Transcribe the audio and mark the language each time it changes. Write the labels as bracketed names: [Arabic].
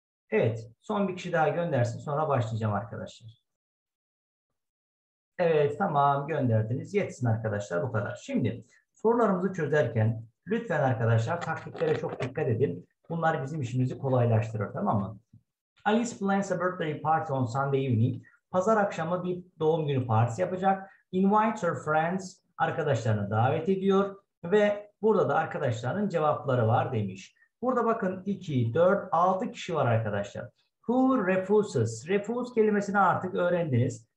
[Turkish] Evet, son bir kişi daha göndersin, sonra başlayacağım arkadaşlar. Evet, tamam gönderdiniz. Yetsin arkadaşlar, bu kadar. Şimdi sorularımızı çözerken lütfen arkadaşlar taktiklere çok dikkat edin. Bunlar bizim işimizi kolaylaştırır, tamam mı? [English] Alice plans a birthday party on Sunday evening. [Turkish] Pazar akşamı bir doğum günü partisi yapacak. [English] Invite her friends, [Turkish] arkadaşlarını davet ediyor. Ve burada da arkadaşlarının cevapları var demiş. Burada bakın 2, 4, 6 kişi var arkadaşlar. [English] Who refuses? [Turkish] Refuse kelimesini artık öğrendiniz.